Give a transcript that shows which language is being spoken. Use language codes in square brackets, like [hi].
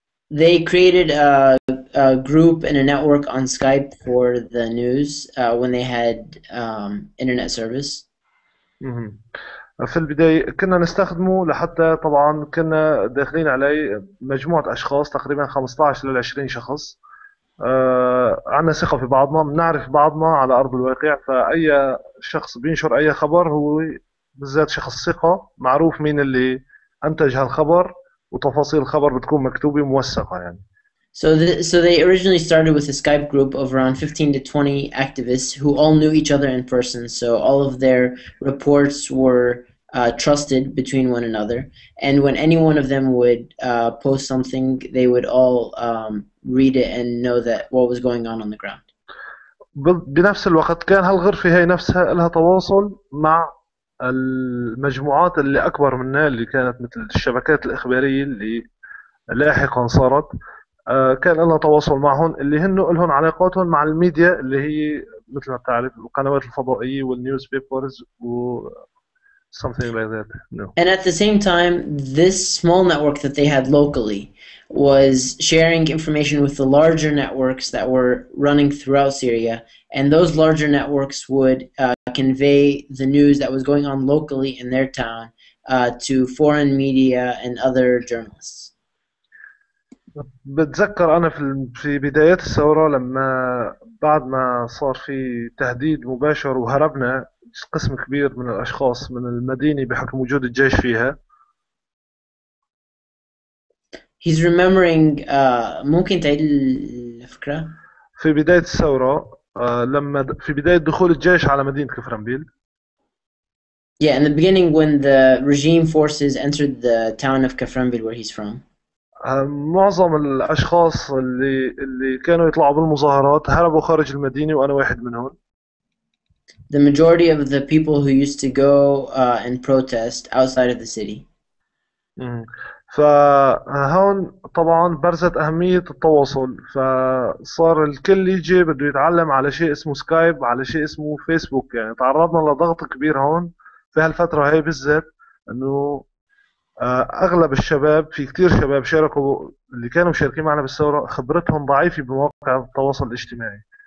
[en] They created a group and a network on Skype for the news when they had internet service. [ar] في البداية كنا نستخدمه لحتى طبعا كنا داخلين عليه مجموعة أشخاص تقريبا 15 إلى 20 شخص, عنا ثقة في بعضنا, بنعرف بعضنا على أرض الواقع, فأي شخص بينشر أي خبر هو بالذات شخص ثقة, معروف مين اللي أنتج هالخبر وتفاصيل الخبر بتكون مكتوبة موثقة يعني. [en] So they originally started with a Skype group of around 15 to 20 activists who all knew each other in person. So all of their reports were trusted between one another. And when any one of them would post something, they would all read it and know that what was going on the ground. [ar] بنفس الوقت كان هالغرفة هي نفسها لها تواصل مع المجموعات اللي أكبر منها, اللي كانت مثل الشبكات الإخبارية اللي لاحقا صارت. كان لنا تواصل معهم اللي هنو لهم علاقاتهم مع الميديا اللي هي مثل ما تعرف القنوات الفضائية والنيوز بيبرز و [en] something like that. No. And at the same time, this small network that they had locally was sharing information with the larger networks that were running throughout Syria, and those larger networks would convey the news that was going on locally in their town to foreign media and other journalists. [ar] بتذكر أنا في بداية الثورة لما بعد ما صار في تهديد مباشر وهربنا قسم كبير من الأشخاص من المدينة بحكم وجود الجيش فيها. [en] He's remembering [ar] ممكن تعيد الفكرة؟ في بداية الثورة لما في بداية دخول الجيش على مدينة كفرنبيل. [en] Yeah, in the beginning when the regime forces entered the town of Kafranbil where he's from. [ar] معظم الأشخاص اللي كانوا يطلعوا بالمظاهرات هربوا خارج المدينة وأنا واحد منهم. [en] The majority of the people who used to go and protest outside of the city. [ar] فهون طبعاً برزت أهمية التواصل, فصار الكل يجي بده يتعلم على شيء اسمه سكايب, على شيء اسمه فيسبوك. يعني تعرضنا لضغط كبير هون في هالفترة هاي بالذات, إنه أغلب الشباب, في كتير شباب شاركوا اللي كانوا مشاركين معنا بالثورة خبرتهم ضعيفة بمواقع التواصل الاجتماعي.